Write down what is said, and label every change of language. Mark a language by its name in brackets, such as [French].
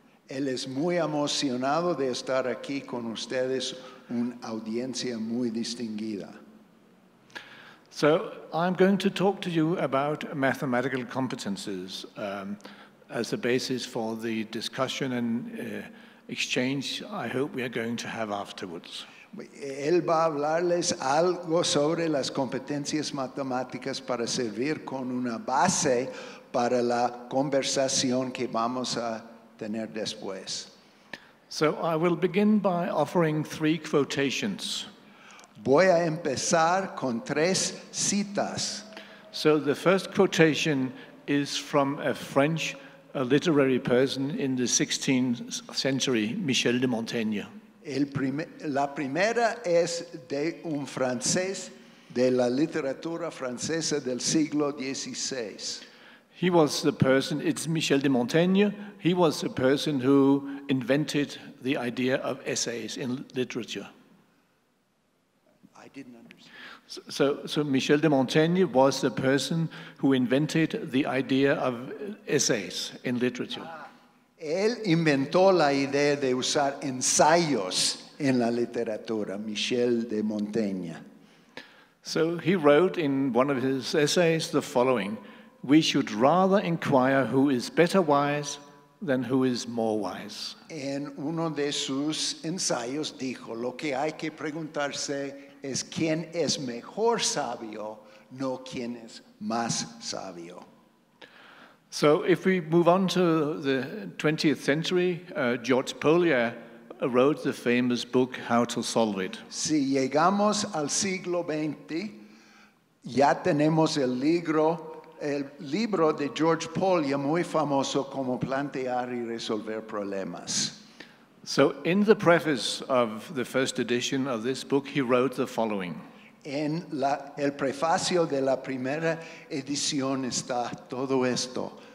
[Spanish] Él es muy emocionado de estar aquí con ustedes, una audiencia muy distinguida. [English] So I'm going to talk to you about mathematical competences as a basis for the discussion and exchange I hope we are going to have afterwards. [Spanish] Él va a hablarles algo sobre las competencias matemáticas para servir con una base para la conversación que vamos a tener después. [English] So I will begin by offering three quotations. [Spanish] Voy a empezar con tres citas. [English] So the first quotation is from a French literary person in the 16th century, Michel de Montaigne. [Spanish] La primera es de un francés de la literatura francesa del siglo XVI. [English] He was the person, it's Michel de Montaigne, he was the person who invented the idea of essays in literature. So Michel de Montaigne was the person who invented the idea of essays in literature. [Spanish] Él inventó la idea de usar ensayos en la literatura, Michel de Montaigne. [English] So he wrote in one of his essays the following: "We should rather inquire who is better wise than who is more wise." [Spanish] En uno de sus ensayos dijo, lo que hay que preguntarse es quién es mejor sabio, no quién es más sabio. [English] So if we move on to the 20th century, George Pollier wrote the famous book, How to Solve It. [Spanish] Si llegamos al siglo XX, ya tenemos el libro de George Pollier, muy famoso, como plantear y resolver problemas. [English] So in the preface of the first edition of this book, he wrote the following. [Spanish] En el prefacio de la primera edición está todo esto.